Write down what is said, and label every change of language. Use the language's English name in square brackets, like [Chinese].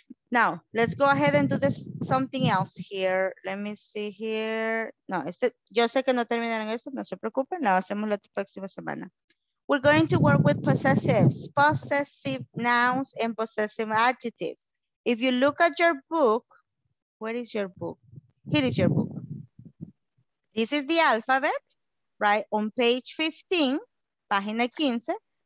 [English] Now, let's go ahead and do this something else here. Let me see here. [Spanish] No, este, yo sé que no terminaron esto, no se preocupen, lo hacemos la próxima semana. [English] We're going to work with possessives, possessive nouns and possessive adjectives. If you look at your book, where is your book? Here is your book. This is the alphabet, right? On page 15, [Spanish] página 15.